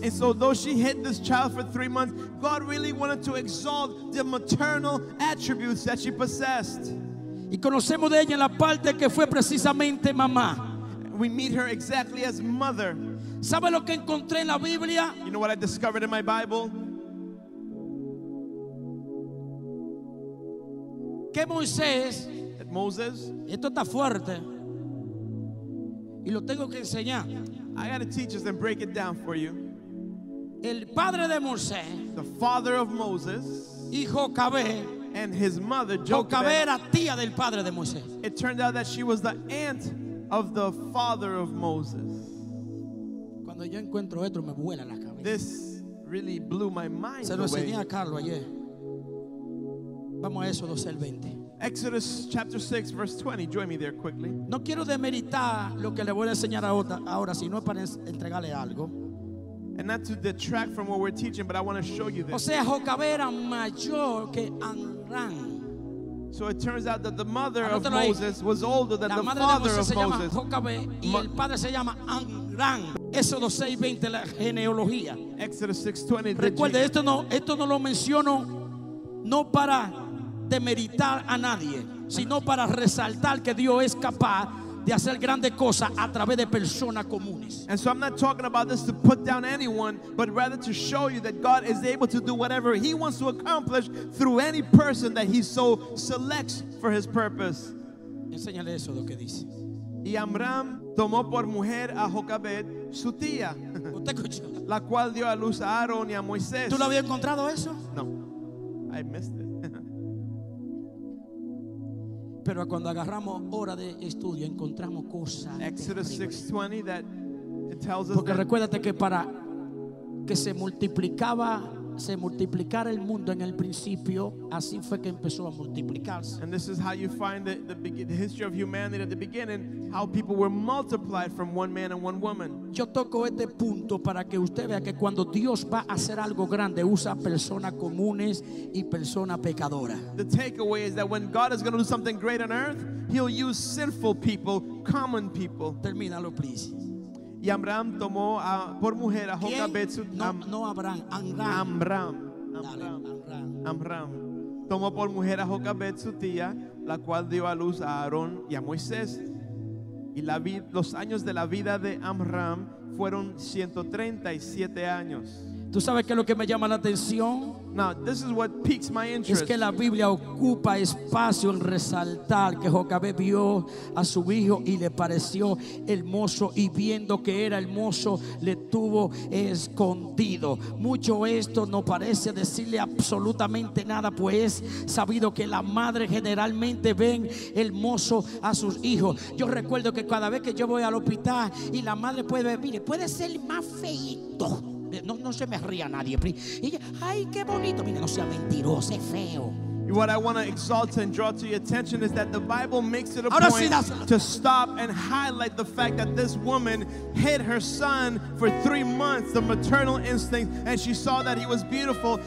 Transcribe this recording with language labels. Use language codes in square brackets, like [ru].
[en] And so though she hid this child for 3 months, God really wanted to exalt the maternal attributes that she possessed. [es] Y conocemos de ella la parte que fue precisamente mamá. [en] We meet her exactly as mother. [es] ¿Sabe lo que encontré en la Biblia? [en] You know what I discovered in my Bible? [es] Que Moisés, [en] that Moses, [es] esto está fuerte. Y lo tengo que enseñar. [en] I got to teach this and break it down for you. [es] El padre de Moisés, [en] the father of Moses, [es] y Jocabed, [en] and his mother Jocabed, [es] era tía del padre de Moisés. [en] It turned out that she was the aunt of the father of Moses. [es] Cuando yo encuentro esto, me vuela la cabeza. [en] This really blew my mind. [es] Se lo enseñé a Carlos ayer. Vamos a eso, 12:20. [en] Exodus chapter 6 verse 20. Join me there quickly. [es] No quiero demeritar lo que le voy a enseñar ahora, sino para entregarle algo. [en] And not to detract from what we're teaching, but I want to show you this. [es] O sea, Jocabed era mayor que Amram. [en] So it turns out that the mother of Moses was older than the father of Moses. [es] La madre de Moses se llama Jocabed y el padre se llama Amram. Éxodo 6:20, la genealogía. [en] Exodus 6:20. [es] Recuerde, esto no lo menciono no para demeritar a nadie, sino para resaltar que Dios es capaz de hacer grandes cosas a través de personas comunes. [en] And so I'm not talking about this to put down anyone, but rather to show you that God is able to do whatever he wants to accomplish through any person that he so selects for his purpose. [es] Enséñale eso lo que dice. Y Amram tomó por mujer a Jocabed, su tía, la cual dio a luz a Aarón y a Moisés. ¿Tú lo habías encontrado eso? [en] No, I missed it. [es] Pero cuando agarramos hora de estudio encontramos cosas. [en] Exodus 6:20 that it tells us. [es] Porque recuérdate que para que se multiplicara el mundo en el principio, así fue que empezó a multiplicarse. [en] And this is how you find the history of humanity at the beginning, how people were multiplied from one man and one woman. [es] Yo toco este punto para que usted vea que cuando Dios va a hacer algo grande usa personas comunes y personas pecadoras. [en] The takeaway is that when God is going to do something great on earth, he'll use sinful people, common people. [es] Termínalo, [en] please. [es] Y Amram tomó a, por mujer a Jocabed, su tía. No, Abraham, Amram. Amram. Dale, Amram. Amram. Tomó por mujer a Jocabed, su tía, la cual dio a luz a Aarón y a Moisés. Y la los años de la vida de Amram fueron 137 años. ¿Tú sabes qué es lo que me llama la atención? [en] Now, this is what piques my interest. [es] Es que la Biblia ocupa espacio en resaltar que Jocabed vio a su hijo y le pareció hermoso, y viendo que era hermoso le tuvo escondido. Mucho esto no parece decirle absolutamente nada, pues sabido que la madre generalmente ven hermoso a sus hijos. Yo recuerdo que cada vez que yo voy al hospital y la madre puede ver, mire, puede ser más feito. No, no se me ría nadie. Y, ay, qué bonito. Mira, no sea mentiroso, es feo. [en] What I want to exalt and draw to your attention is that the Bible makes it a [es] ahora [en] point [es] sí, [en] to stop and highlight the fact that this woman hid her son for 3 months, the maternal instinct, and she saw that he was beautiful.